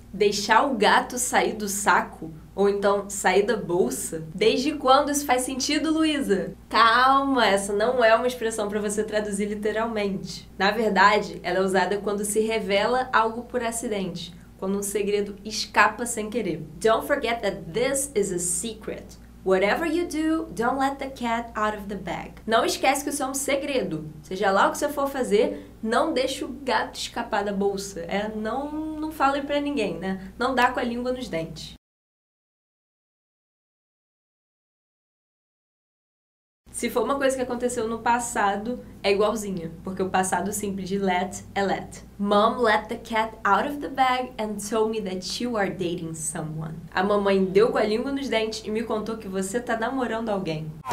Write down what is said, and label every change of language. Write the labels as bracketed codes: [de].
[pt] Deixar o gato sair do saco? Ou então sair da bolsa? Desde quando isso faz sentido, Luísa? Calma, essa não é uma expressão para você traduzir literalmente. Na verdade, ela é usada quando se revela algo por acidente, quando um segredo escapa sem querer. [en] Don't forget that this is a secret. Whatever you do, don't let the cat out of the bag. [pt] Não esquece que isso é um segredo. Seja lá o que você for fazer, não deixe o gato escapar da bolsa. É, não fale pra ninguém, né? Não dá com a língua nos dentes. Se for uma coisa que aconteceu no passado, é igualzinha, porque o passado simples de let é let. [en] Mom let the cat out of the bag and told me that you are dating someone. [pt] A mamãe deu com a língua nos dentes e me contou que você tá namorando alguém.